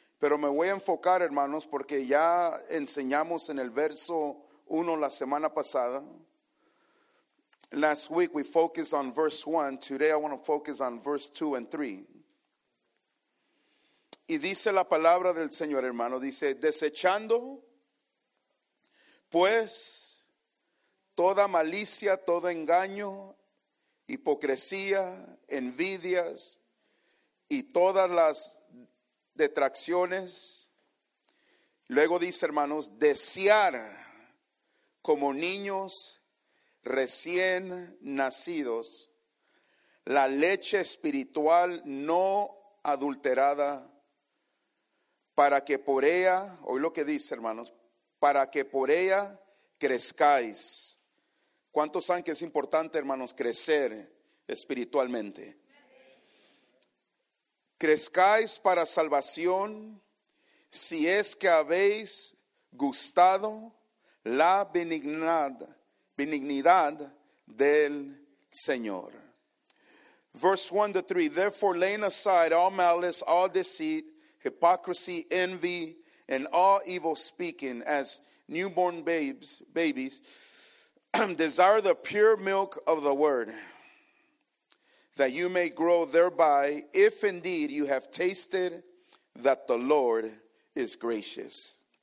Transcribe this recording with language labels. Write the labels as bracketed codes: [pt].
[es] Pero me voy a enfocar, hermanos, porque ya enseñamos en el verso 1 la semana pasada. [en] Last week we focused on verse 1. Today I want to focus on verse 2 and 3. [es] Y dice la palabra del Señor, hermano, dice, desechando, pues, toda malicia, todo engaño, hipocresía, envidias y todas las detracciones. Luego dice, hermanos, desear como niños recién nacidos la leche espiritual no adulterada, para que por ella, oí lo que dice, hermanos, para que por ella crezcáis. ¿Cuántos saben que es importante, hermanos, crecer espiritualmente? Crezcáis para salvación, si es que habéis gustado la benignidad del Señor. [en] Verse 1 to 3, therefore laying aside all malice, all deceit, hypocrisy, envy, and all evil speaking, as newborn babies desire the pure milk of the word, that you may grow thereby, if indeed you have tasted that the Lord is gracious.